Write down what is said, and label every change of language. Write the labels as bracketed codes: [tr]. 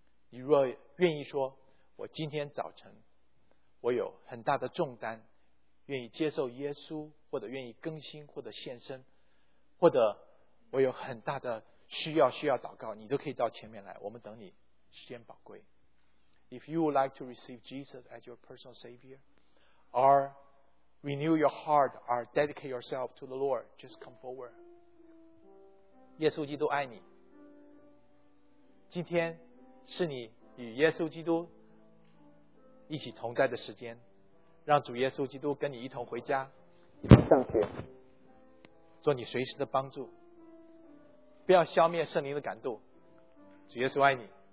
[zh] 你若愿意说，我今天早晨我有很大的重担，愿意接受耶稣，或者愿意更新，或者献身，或者我有很大的需要祷告，你都可以到前面来，我们等你，时间宝贵。 [en] If you would like to receive Jesus as your personal Savior or renew your heart or dedicate yourself to the Lord, just come forward. [zh] 耶稣基督爱你，今天是你与耶稣基督一起同在的时间，让主耶稣基督跟你一同回家，一同上学，做你随时的帮助，不要消灭圣灵的感动。主耶稣爱你。